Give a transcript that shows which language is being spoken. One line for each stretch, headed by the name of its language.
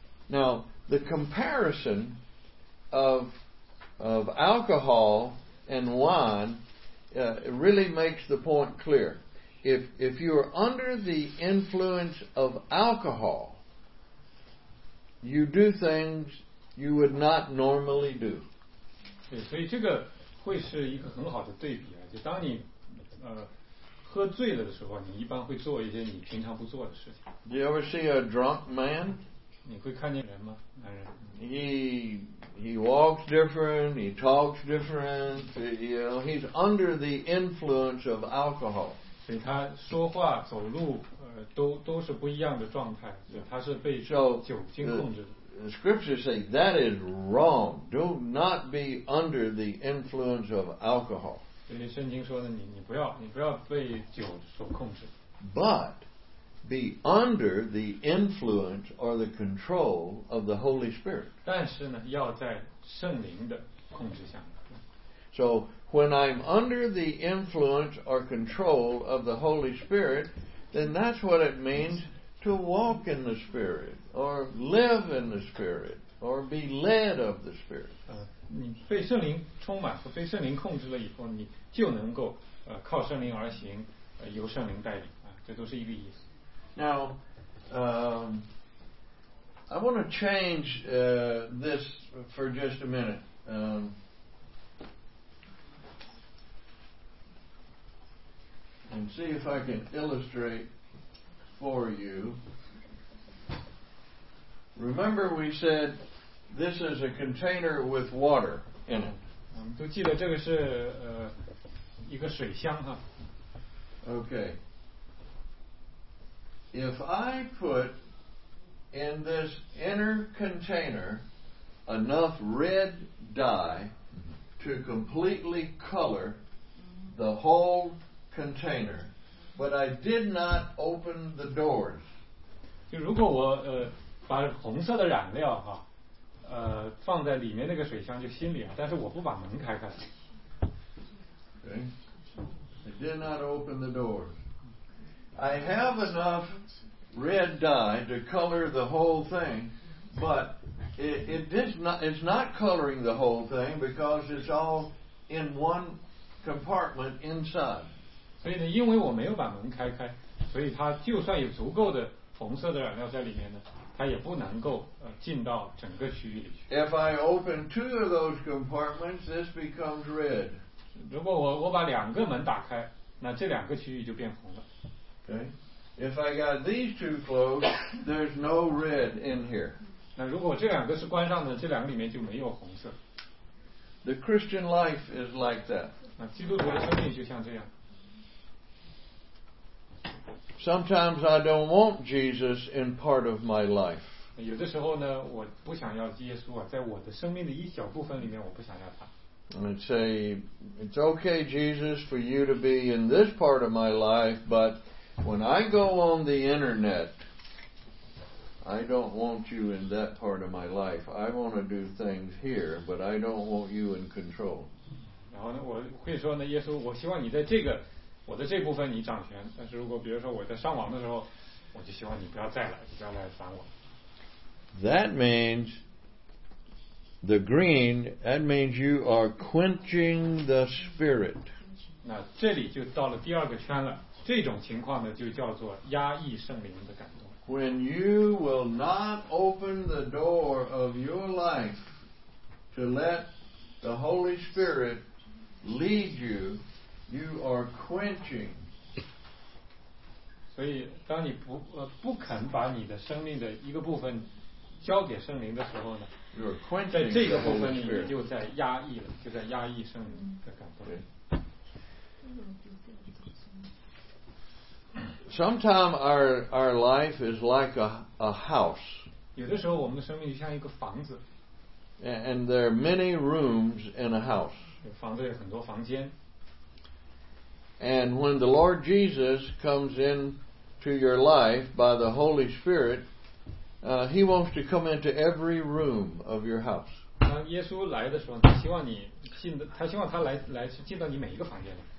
English: Now, the comparison of alcohol and wine really makes the point clear. If you are under the influence of alcohol, you do things you would not normally do.
Chinese: 对，所以这个会是一个很好的对比啊。就当你喝醉了的时候，你一般会做一些你平常不做的事情。
English: Do you ever see a drunk man?
Chinese: 你会看见人吗？男人。
English: He walks different. He talks different. You know, he's under the influence of alcohol.
Chinese: 所以他说话走路都是不一样的状态，他是被酒精控制的。
English: So, the scriptures say that is wrong. Do not be under the influence of alcohol.
Chinese: 所以圣经说的你不要被酒所控制。
English: but be under the influence or the control of the Holy Spirit.
Chinese: 但是呢，要在圣灵的控制下。
English: So when I'm under the influence or control of the Holy Spirit, then that's what it means to walk in the Spirit or live in the Spirit or be led of the Spirit.
Chinese: 你被圣灵充满和被圣灵控制了以后，你就能够靠圣灵而行，由圣灵带领啊，这都是一个意思。
English: Now, I want to change this for just a minute. And see if I can illustrate for you. Remember we said this is a container with water in it.
Chinese: 都记得这个是一个水箱啊。
English: Okay. If I put in this inner container enough red dye to completely color the whole container, but I did not open the doors.
Chinese: 就如果我把红色的染料哈放在里面那个水箱就心里啊，但是我不把门开开。
English: Okay. I did not open the doors. I have enough red dye to color the whole thing, but it's not coloring the whole thing because it's all in one compartment inside.
Chinese: 所以呢，因为我没有把门开开，所以它就算有足够的红色的染料在里面呢，它也不能够进到整个区域里去。
English: If I open two of those compartments, this becomes red.
Chinese: 如果我把两个门打开，那这两个区域就变红了。
English: Okay. If I got these two closed, there's no red in here.
Chinese: 那如果这两个是关上的，这两个里面就没有红色。
English: The Christian life is like that.
Chinese: 那基督徒的生命就像这样。
English: Sometimes I don't want Jesus in part of my life.
Chinese: 有的时候呢，我不想要耶稣啊，在我的生命的一小部分里面，我不想要他。
English: I'd say it's okay, Jesus, for you to be in this part of my life, but when I go on the internet, I don't want you in that part of my life. I want to do things here, but I don't want you in control.
Chinese: 然后呢，我会说呢，耶稣，我希望你在这个我的这部分你掌权。但是如果比如说我在上网的时候，我就希望你不要再来，不要来烦我。
English: That means the green. That means you are quenching the spirit.
Chinese: 那这里就到了第二个圈了。这种情况呢，就叫做压抑圣灵的感动。
English: When you will not open the door of your life to let the Holy Spirit lead you, you are quenching.
Chinese: 所以，当你不肯把你的生命的一个部分交给圣灵的时候呢，在这个部分里面就在压抑了，就在压抑圣灵的感动。
English: Okay. Sometimes our life is like a house.
Chinese: 有的时候我们的生命就像一个房子。
English: And there are many rooms in a house.
Chinese: 房子有很多房间。
English: And when the Lord Jesus comes into your life by the Holy Spirit, He wants to come into every room of your house.
Chinese: 当耶稣来的时候，他希望他来是进到你每一个房间里。